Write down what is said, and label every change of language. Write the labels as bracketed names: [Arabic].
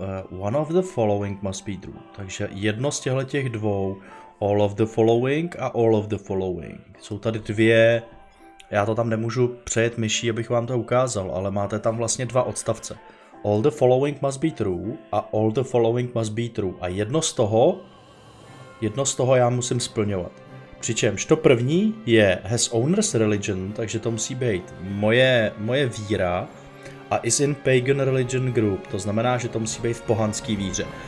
[English] One of the following must be true. [Czech] Takže jedno z těch dvou, [English] all of the following [Czech] a all of the following. Jsou tady dvě, já to tam nemůžu přejet myší, abych vám to ukázal, ale máte tam vlastně dva odstavce. [English] All the following must be true [Czech] a [English] all the following must be true. [Czech] A jedno z toho já musím splňovat. Přičemž to první je [English] has owner's religion, [Czech] takže to musí být moje víra. A [English] is in pagan religion group, [Czech] to znamená, že to musí být v pohanský víře.